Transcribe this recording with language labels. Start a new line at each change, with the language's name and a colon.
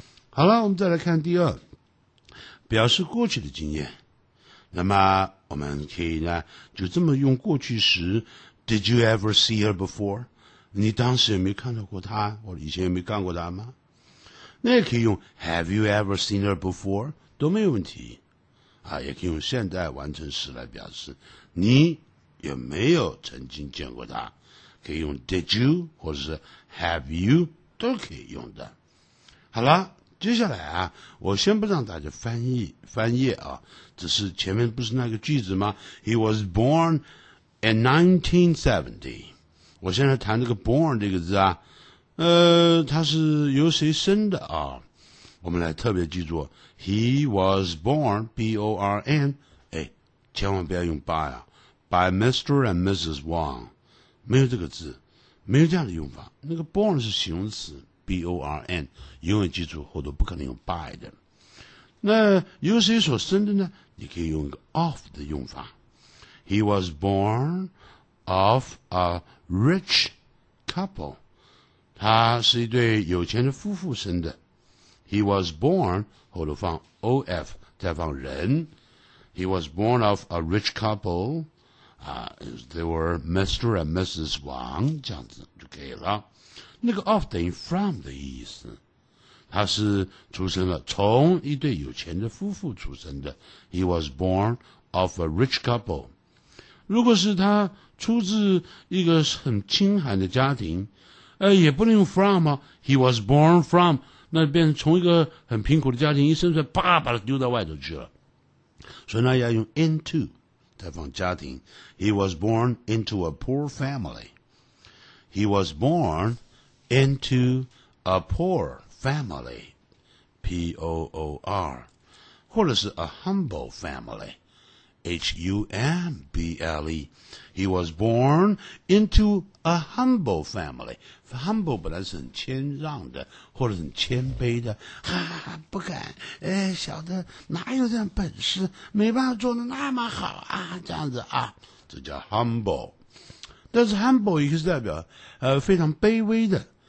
Chinese: 好了，我们再来看第二，表示过去的经验。那么我们可以呢就这么用过去时 ,
English: did you ever see her before?
Chinese: 你当时有没有看到过她，或者以前有没有看过她吗？那也可以用 ,
English: have you ever seen her before?
Chinese: 都没有问题。啊，也可以用现在完成时来表示你有没有曾经见过他，可以用 did you 或者是 have you 都可以用的。好了，接下来啊，我先不让大家翻页啊，只是前面不是那个句子吗？
English: He was born in 1970。
Chinese: 我现在谈这个 born 这个字啊，他是由谁生的啊？我们来特别记住 ，
English: He was born B O R N，
Chinese: 哎，千万不要用 by 啊 ，
English: by Mr. and Mrs.
Chinese: Wang， 没有这个字，没有这样的用法。那个 born 是形容词 ，B O R N， 永远记住后头不可能用 by 的。那由谁所生的呢？你可以用一个 of 的用法 ，
English: He was born of a rich couple。
Chinese: 他是一对有钱的夫妇生的。
English: He was born,
Chinese: 后头放
English: of,
Chinese: 再放人。
English: He was born of a rich couple,they were Mr. and Mrs.
Chinese: Wang, 这样子就可以了。那个 of 等于 from 的意思。他是出生了从一对有钱的夫妇出生的。
English: He was born of a rich couple。
Chinese: 如果是他出自一个很清寒的家庭，也不能用 from 啊 ，
English: He was born from，
Chinese: 那变成从一个很贫苦的家庭一生出来，啪把他丢到外头去了，所以呢要用 into 再放家庭 ，
English: He was born into a poor family。 He was born into a poor family，P O O R， 或者是 a humble family，H U M B L E。 He was born into a humble family.
Chinese: Humble 本来是很谦让的，或者很谦卑的，哈哈哈，不敢，哎，小的哪有这样本事，没办法做得那么好啊，这样子啊，这叫 humble. 但是 humble 也是代表非常卑微的。